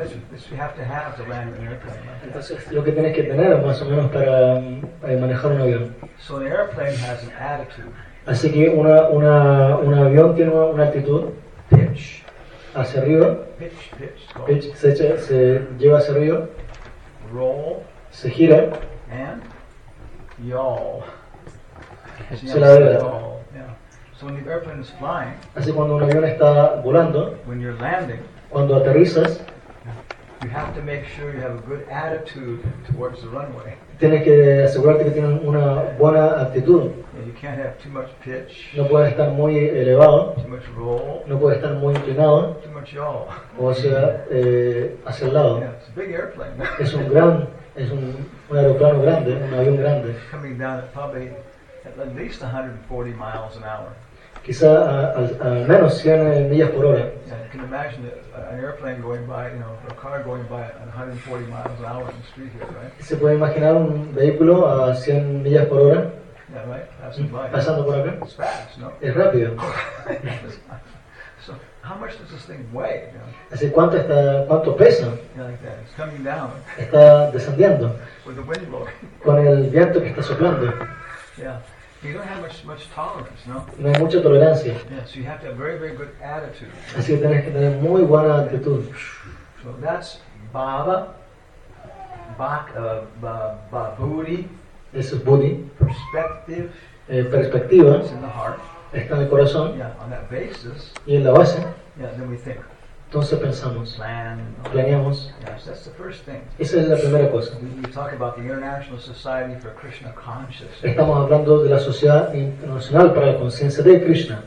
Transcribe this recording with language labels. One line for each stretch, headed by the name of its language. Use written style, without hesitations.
English: This you have to have to land an airplane.
Spanish: Entonces, lo que tienes que tener más o menos para manejar un avión.
English: So an airplane has an attitude.
Spanish: Así que un avión tiene una actitud.
English: Pitch.
Spanish: Hacia arriba.
English: Pitch.
Spanish: Se lleva hacia arriba.
English: Roll.
Spanish: Se gira.
English: And yaw.
Spanish: se la debe.
English: So when the airplane is flying,
Spanish: así cuando un avión está volando,
English: when you're landing,
Spanish: cuando aterrizas,
English: you have to make sure you have a good attitude towards the runway.
Spanish: Tienes que asegurarte que tienes una buena actitud.
English: And you can't have too much pitch.
Spanish: No puedes estar muy elevado.
English: Too much roll.
Spanish: No puedes estar muy inclinado.
English: Too much yaw.
Spanish: O sea, hacia el lado.
English: Yeah, it's a big airplane.
Spanish: es un aeroplano grande, un avión grande.
English: Coming down at probably at least 140 miles an hour.
Spanish: Quizá al menos 100 millas por hora.
English: Yeah, you can imagine an airplane going by, you know, a car going by at 140 miles an hour in the street here, right?
Spanish: ¿Se puede imaginar un vehículo a 100 millas por hora?
English: Yeah, right. Passing by.
Spanish: Pasando por acá.
English: It's fast, no?
Spanish: Es rápido.
English: So, how much does this thing weigh?
Spanish: ¿Así cuánto pesa?
English: Yeah, like that. It's coming down.
Spanish: Está descendiendo.
English: With the wind blowing.
Spanish: Con el viento que está soplando.
English: Yeah. You don't have much tolerance, no?
Spanish: No hay mucha tolerancia.
English: Yeah, so you have to have very, very good attitude.
Spanish: Así que tienes que tener muy buena actitud.
English: So that's Baba, Babudi.
Spanish: Eso es Budi.
English: Perspective.
Spanish: Perspectiva.
English: It's in the heart.
Spanish: Está en el corazón.
English: Yeah, on that basis.
Spanish: Y en la base.
English: Yeah, then we think.
Spanish: Entonces pensamos.
English: Plan.
Spanish: Planeamos.
English: Yes, that's the first thing.
Spanish: Esa es la primera cosa.
English: We talk about the International Society for Krishna Consciousness.
Spanish: Estamos hablando de la Sociedad Internacional para la Conciencia de Krishna.